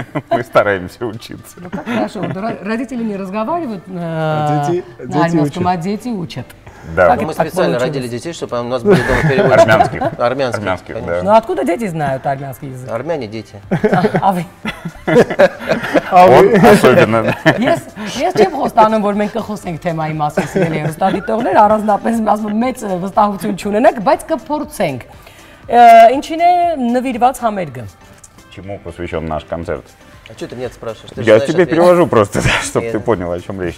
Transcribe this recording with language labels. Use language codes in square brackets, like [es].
[ru] Мы стараемся учиться. Ну как хорошо. Родители не разговаривают на армянском, а дети учат. Да. Мы специально родили детей, чтобы у нас были дома переводы. Армянских. Армянских, да. Ну откуда дети знают армянский язык? Армяне дети. А вы? Он особенно. [hy] Ես չեմ խոստանում, որ մենք կխոսենք թեմայի մասին սիրելի հեռուստադիտողներ, առանձնապես մեծ վստահություն չունենք, բայց կփորձենք։ Ինչին է նվիրված համերգը։ [ru] Чему посвящён наш концерт? А что ты меня спрашиваешь? Я тебе перевожу просто, чтобы ты понял, о чем речь.